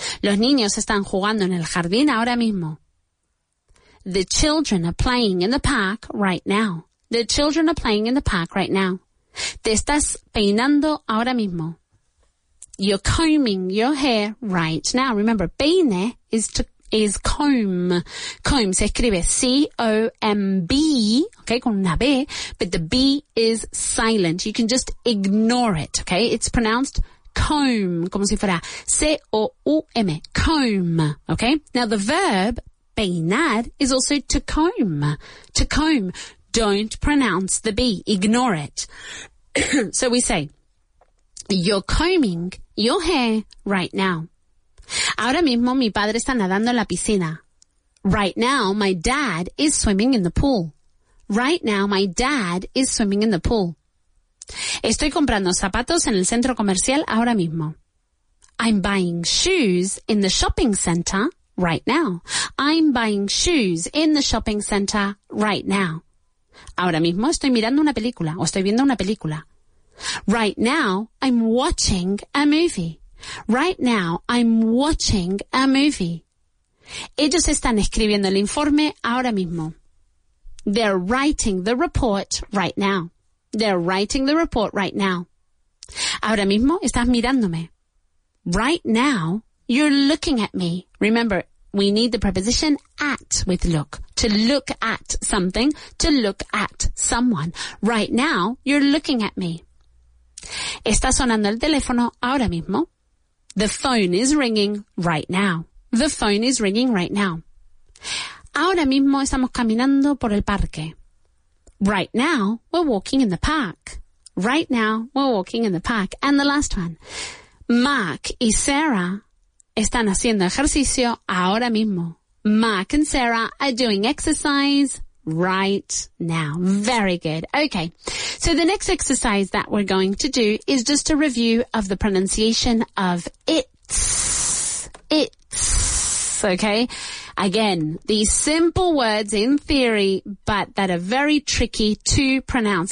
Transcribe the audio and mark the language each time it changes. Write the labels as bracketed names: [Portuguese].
[Spanish] Los niños están jugando en el jardín ahora mismo. [English] The children are playing in the park right now. The children are playing in the park right now. [Spanish] Te estás peinando ahora mismo. [English] You're combing your hair right now. Remember, peine is comb. Comb [Spanish] se escribe [English] C-O-M-B, okay, [Spanish] con una B, [English] but the B is silent. You can just ignore it, okay? It's pronounced comb, [Spanish] como si fuera [English] C-O-U-M, comb, okay? Now, the verb peinar is also to comb, to comb. Don't pronounce the B, ignore it. So we say, you're combing your hair right now. [Spanish] Ahora mismo mi padre está nadando en la piscina. [English] Right now, my dad is swimming in the pool. Right now, my dad is swimming in the pool. [Spanish] Estoy comprando zapatos en el centro comercial ahora mismo. [English] I'm buying shoes in the shopping center right now. I'm buying shoes in the shopping center right now. [Spanish] Ahora mismo estoy mirando una película o estoy viendo una película. [English] Right now, I'm watching a movie. Right now, I'm watching a movie. [Spanish] Ellos están escribiendo el informe ahora mismo. [English] They're writing the report right now. They're writing the report right now. [Spanish] Ahora mismo estás mirándome. [English] Right now, you're looking at me. Remember, we need the preposition at with look. To look at something, to look at someone. Right now, you're looking at me. [Spanish] Está sonando el teléfono ahora mismo. [English] The phone is ringing right now. The phone is ringing right now. [Spanish] Ahora mismo estamos caminando por el parque. [English] Right now, we're walking in the park. Right now, we're walking in the park. And the last one. [Spanish] Mark y Sarah están haciendo ejercicio ahora mismo. [English] Mark and Sarah are doing exercise right now. Very good. Okay. So the next exercise that we're going to do is just a review of the pronunciation of it's. Okay. Again, these simple words in theory, but that are very tricky to pronounce.